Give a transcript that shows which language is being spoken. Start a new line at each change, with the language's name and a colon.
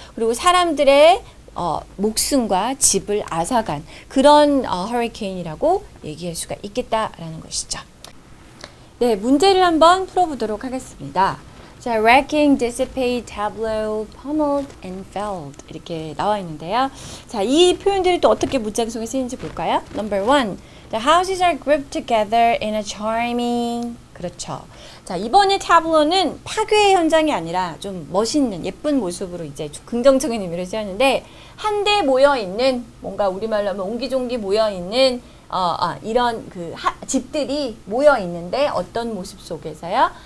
Korean: 그리고 사람들의 목숨과 집을 앗아간 그런 허리케인이라고 얘기할 수가 있겠다라는 것이죠. 네, 문제를 한번 풀어보도록 하겠습니다. 자,
English: wrecking, dissipate, tableau, pummeled, and felled
Korean: 이렇게 나와 있는데요. 자, 이 표현들이 또 어떻게 문장 속에 쓰이는지 볼까요?
English: Number one, the houses are grouped together in a charming.
Korean: 그렇죠. 자, 이번에 tableau는 파괴의 현장이 아니라 좀 멋있는, 예쁜 모습으로 이제 긍정적인 의미를 쓰였는데 한 데 모여 있는 뭔가 우리말로 하면 옹기종기 모여 있는 이런 그 집들이 모여 있는데 어떤 모습 속에서요?